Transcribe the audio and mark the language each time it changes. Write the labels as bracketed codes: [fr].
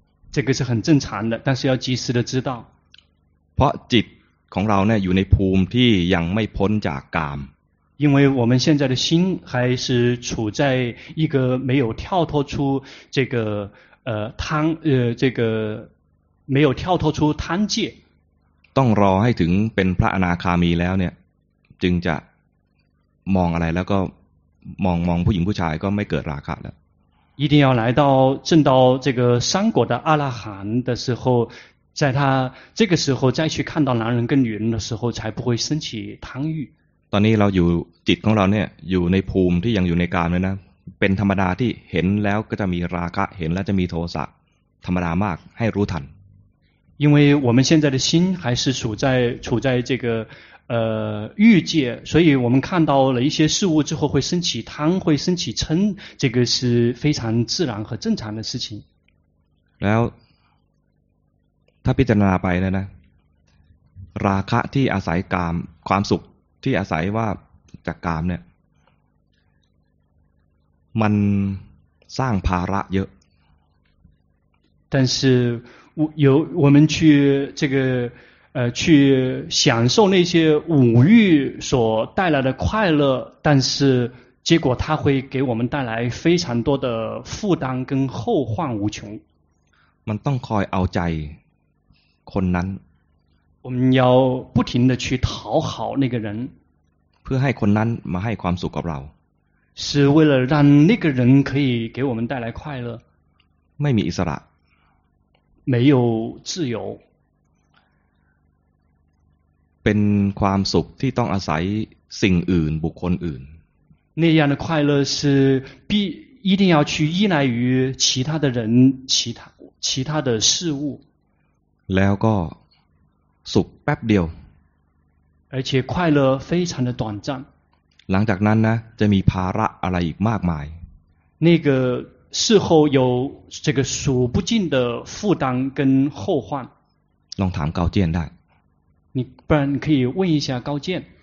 [zh] 这个是很正常的，但是要及时的知道。 [th] เพราะจิตของเราเนี่ยอยู่ในภูมิที่ยังไม่พ้นจากกาม [zh] 因为我们现在的心还是处在一个没有跳脱出这个贪这个没有跳脱出贪戒 [th] ต้องรอให้ถึงเป็นพระอนาคามีแล้วเนี่ยจึงจะมองอะไรแล้วก็มองผู้หญิงผู้ชายก็ไม่เกิดราคะแล้ว [zh] 一定要来到证到这个三果的阿拉含的时候在他这个时候再去看到男人跟女人的时候才不会生起贪欲 [th] ตอนนี้เราอยู่จิตของเราเนี่ยอยู่ในภูมิที่ยังอยู่ในกามเลยนะเป็นธรรมดาที่เห็นแล้วก็จะมีราคะเห็นแล้วจะมีโทสะธรรมดามากให้รู้ทัน [zh] 因为我们现在的心还是处在这个欲界所以我们看到了一些事物之后会升起贪会升起嗔这个是非常自然和正常的事情 [th] แล้วถ้าพิจารณาไปนะราคะที่อาศัยกามความสุขที่อาศัยว่าจากกามเนี่ยมันสร้างภาระเยอะ [zh] 但是由我们去这个去享受那些五欲所带来的快乐但是结果它会给我们带来非常多的负担跟后患无穷 [th] มันต้องคอยเอาใจคนนั้น [zh] 我们要不停的去讨好那个人 [th] เพื่อให้คนนั้นมาให้ความสุขกับเรา [zh] 是为了让那个人可以给我们带来快乐 [th] ไม่มีอิสระ [zh] 没有自由 [th] เป็นความสุขที่ต้องอาศัยสิ่งอื่นบุคคลอื่น [zh] 那样的快乐是必一定要去依赖于其他的人其他的事物 [th] แล้วก็สุขแป๊บเดียว [zh] 而且快乐非常的短暂 [th] หลังจากนั้นนะจะมีภาระอะไรอีกมากมาย [zh] 那个事后有这个数不尽的负担跟后患 [th] ลองถามเกาเจียนได้ [zh] 你不然你可以问一下高健